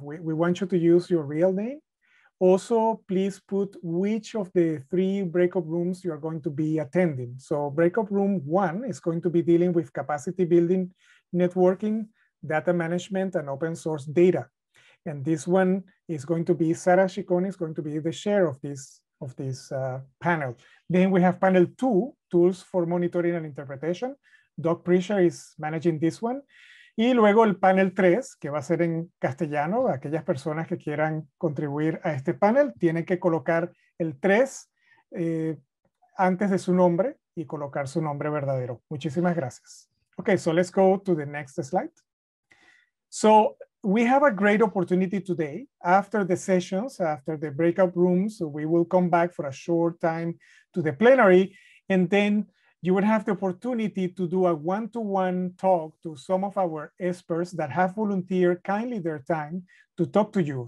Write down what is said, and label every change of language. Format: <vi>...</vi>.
<en>We want you to use your real name. Also, please put which of the 3 breakout rooms you are going to be attending. So breakout room 1 is going to be dealing with capacity building, networking, data management and open source data. And this one is going to be, Sarah Chicone is going to be the chair of this panel. Then we have panel two, tools for monitoring and interpretation. Doc Pritchard is managing this one.</en> <es>Y luego el panel tres, que va a ser en castellano. Aquellas personas que quieran contribuir a este panel tienen que colocar el tres antes de su nombre y colocar su nombre verdadero. Muchísimas gracias.</es> <en>Okay, so let's go to the next slide. So we have a great opportunity today. After the sessions, after the breakout rooms, we will come back for a short time to the plenary, and then you will have the opportunity to do a one-to-one talk to some of our experts that have volunteered kindly their time to talk to you.</en>